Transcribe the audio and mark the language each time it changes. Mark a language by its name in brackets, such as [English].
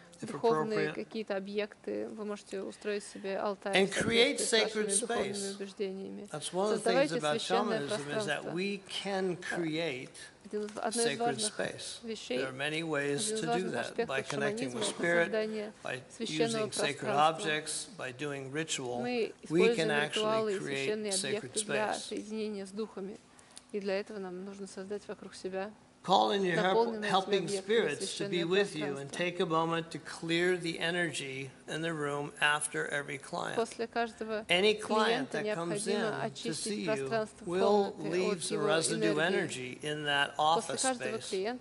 [Russian] духовные какие-то объекты, вы можете устроить себе алтарь [English] and create sacred space. That's one of the things about shamanism is that we can create sacred space. There are many ways to do that, by connecting with spirit, by using sacred objects, by doing ritual. We can actually create sacred space. [Russian] Для соединения с духами. И для этого нам нужно создать вокруг себя [English] Call in your helping spirits to be with you and take a moment to clear the energy in the room after every client. Any client that comes in to see you will leave a residue energy in that office space.